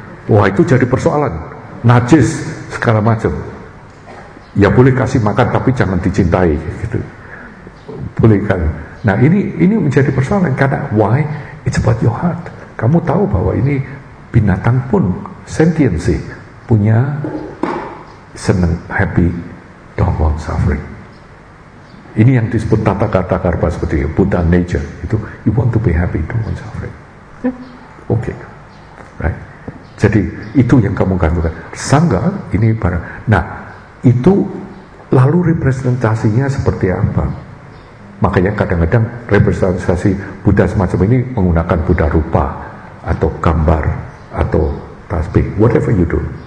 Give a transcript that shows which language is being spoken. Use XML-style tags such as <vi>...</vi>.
<id>Wah itu jadi persoalan, najis segala macam. Ya boleh kasih makan tapi jangan dicintai gitu, boleh kan? Nah ini menjadi persoalan karena why?</id> <en>It's about your heart.</en> <id>Kamu tahu bahwa ini binatang pun sentiensi. Punya senang,</id> <en>happy, don't want suffering.</en> <id>Ini yang disebut tata kata karpa seperti itu, Buddha nature.</id> <en>Itu you want to be happy, don't want suffering. Yeah. Okay, right.</en> <id>Jadi itu yang kamu gantungkan. Sangga ini barang. Nah itu lalu representasinya seperti apa? Makanya kadang-kadang representasi Buddha semacam ini menggunakan Buddha rupa atau gambar atau tasbih,</id> <en>whatever you do.</en>